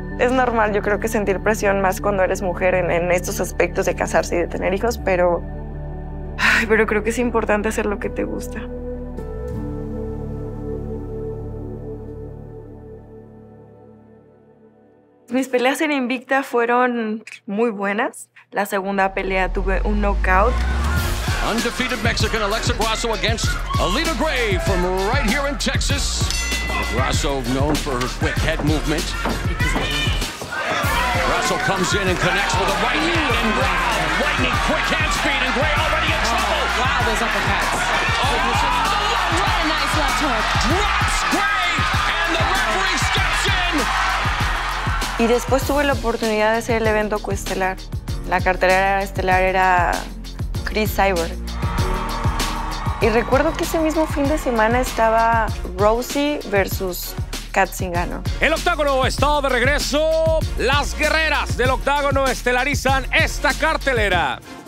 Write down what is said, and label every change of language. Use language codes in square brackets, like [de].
[es] Es normal, yo creo que sentir presión más cuando eres mujer en estos aspectos de casarse y de tener hijos, pero creo que es importante hacer lo que te gusta. Mis peleas en Invicta fueron muy buenas. La segunda pelea tuve un knockout. [en] Undefeated Mexican Alexa Grasso against Alita Gray from right here in Texas. Grasso known for her quick head movement. Grasso comes in and connects with a right hand and wow, lightning quick hand speed and Gray already in trouble. Wow, those uppercuts. What a nice left hook. Drops Gray and the referee steps in. [es] Y después tuve la oportunidad de hacer el evento coestelar. La cartelera estelar era Chris Cyborg. Y recuerdo que ese mismo fin de semana estaba Rosie versus Kat Zingano. El octágono está de regreso. Las guerreras del octágono estelarizan esta cartelera.